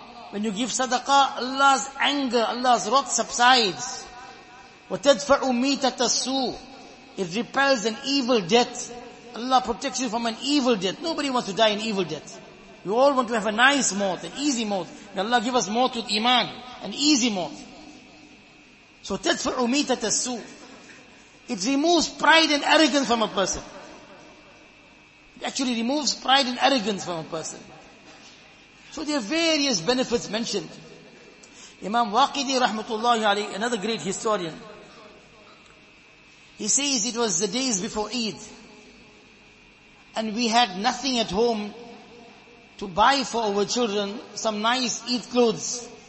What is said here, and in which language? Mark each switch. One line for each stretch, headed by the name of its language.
English: When you give sadaqah, Allah's anger, Allah's wrath subsides.
Arabic: وَتَدْفَعُ مِيتَةَ السُّوءِ.
English: It repels an evil death. Allah protects you from an evil death. Nobody wants to die in evil death. You all want to have a nice mort, an easy mort. May Allah give us mort with iman, an easy mort.
Arabic: So تَدْفَعُ مِيتَةَ السُّوءِ.
English: It removes pride and arrogance from a person. It actually removes pride and arrogance from a person. So there are various benefits mentioned. Imam Waqidi rahmatullahi alayhi, another great historian, he says it was the days before Eid, and we had nothing at home to buy for our children some nice Eid clothes.